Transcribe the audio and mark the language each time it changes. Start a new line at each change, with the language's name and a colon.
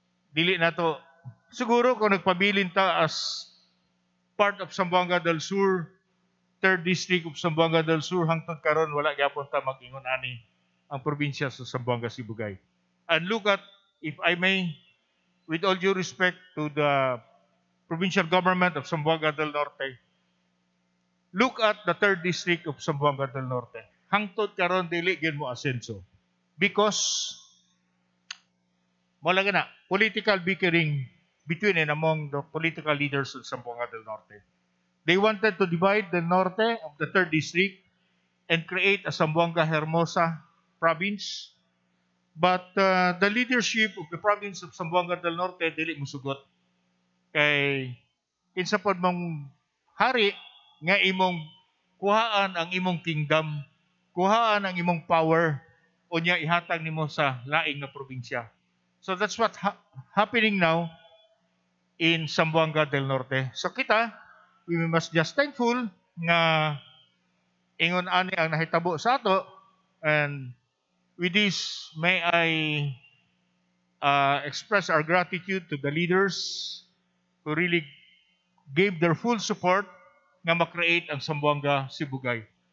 Cebuano: Dili na to. Siguro kung nagpabilin ta as part of Zamboanga del Sur, 3rd District of Zamboanga del Sur, hangtod karon wala gyapon ta mag-ingon ani ang probinsya sa Zamboanga Sibugay.
English: And look at, if I may, with all due respect to the provincial government of Zamboanga del Norte, look at the 3rd District of Zamboanga del Norte.
Cebuano: Hangtod karon dili gyud mo asenso.
English: Because, mula gana, political bickering between and among the political leaders of Zamboanga del Norte. They wanted to divide the Norte of the 3rd District and create a Zamboanga Hermosa province. But the leadership of the province of Zamboanga del Norte
Cebuano: dili musugot. Kay kinsa pod mong hari nga imong kuhaan ang imong kingdom, kuhaan ang imong power, unya ihatag nimo sa laing nga probinsya.
English: So that's what happening now in Zamboanga del Norte.
Cebuano: So kita,
English: we must just thankful
Cebuano: nga ingon ani ang nahitabo sa ato.
English: And with this, may I express our gratitude to the leaders who really gave their full support
Cebuano: nga makreate ang
English: Zamboanga Sibugay.